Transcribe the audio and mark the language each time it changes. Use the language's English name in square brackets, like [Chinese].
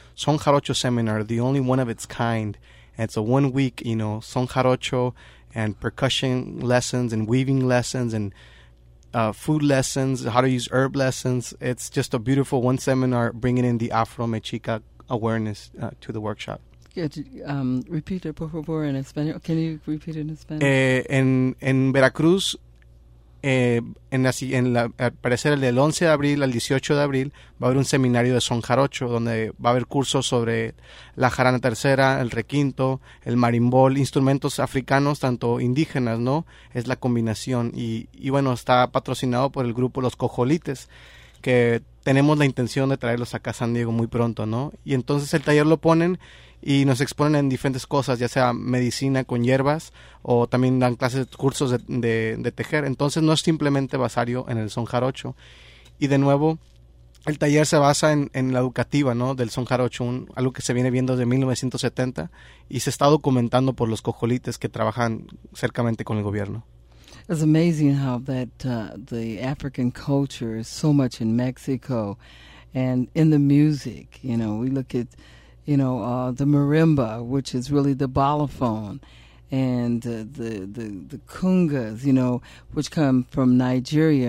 [English] Son Jarocho Seminar, the only one of its kind. And it's a 1 week, you know, Son Jarocho and percussion lessons and weaving lessons and food lessons, how to use herb lessons. It's just a beautiful one seminar bringing in the Afro-Mexica awareness to the workshop. Good. Repeat it, [Spanish] por favor, [English] in Spanish. Can you repeat it in Spanish? [Spanish] En Veracruz, al parecer el 11 de abril al 18 de abril, va a haber un seminario de Son Jarocho, donde va a haber cursos sobre la jarana tercera, el requinto, el marimbol, instrumentos africanos, tanto indígenas, ¿no? Es la combinación. Y bueno, está patrocinado por el grupo Los Cojolites, que tenemos la intención de traerlos acá a San Diego muy pronto, ¿no? Y entonces el taller lo ponen y nos exponen en diferentes cosas, ya sea medicina con hierbas o también dan clases, cursos de tejer. Entonces no es simplemente basario en el Son Jarocho. Y de nuevo, el taller se basa en la educativa, ¿no?, del Son Jarocho, algo que se viene viendo desde 1970 y se está documentando por los cojolites que trabajan cercamente con el gobierno. [English] It's amazing how that the African culture is so much in Mexico and in the music. You know, we look at, you know, the marimba, which is really the balafone, and the kungas, you know, which come from Nigeria.